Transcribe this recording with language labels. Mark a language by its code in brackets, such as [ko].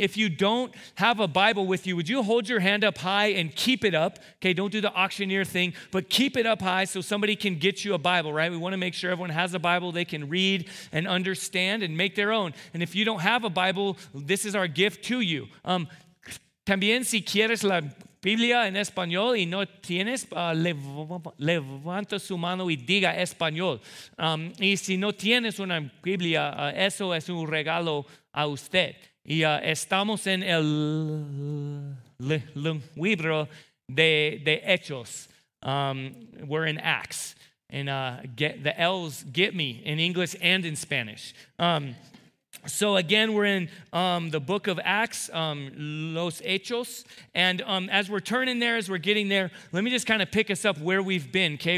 [en] If you don't have a Bible with you, would you hold your hand up high and keep it up? Okay, don't do the auctioneer thing, but keep it up high so somebody can get you a Bible, right? We want to make sure everyone has a Bible they can read and understand and make their own. And if you don't have a Bible, this is our gift to you. [es] También si quieres la Biblia en español y no tienes, levanta su mano y diga español. Y si no tienes una Biblia, eso es un regalo a usted. Y estamos en el libro de Hechos. [en] We're in Acts. And get the L's get me in English and in Spanish. So again, we're in the book of Acts, Los Hechos, and as we're turning there, as we're getting there, let me just kind of pick us up where we've been, okay?